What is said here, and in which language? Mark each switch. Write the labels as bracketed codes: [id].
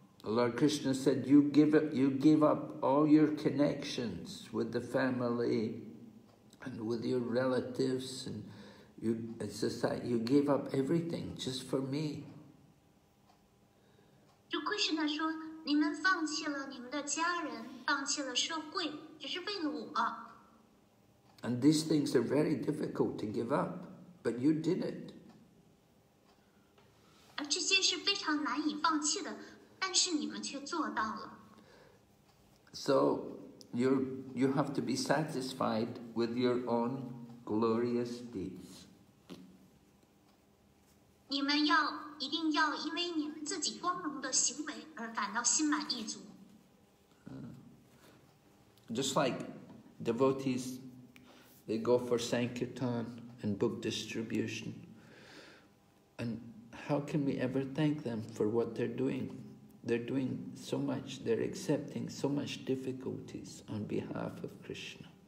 [en] Lord Krishna said, you give up all your connections with the family and with your relatives and you, society, you gave up everything just for me. [zh] Krishna 说，你们放弃了你们的家人，放弃了社会，只是为了我。 [en] And these things are very difficult to give up, but you did it. [zh] 而这些是非常难以放弃的。但是你们却做到了。 [en] So you have to be satisfied with your own glorious deeds. [zh] 你们要一定要因为你们自己光荣的行为而感到心满意足。 [en] Just like devotees, they go for sankirtan and book distribution. And how can we ever thank them for what they're doing? They're doing so much, they're accepting so much difficulties on behalf of Krishna.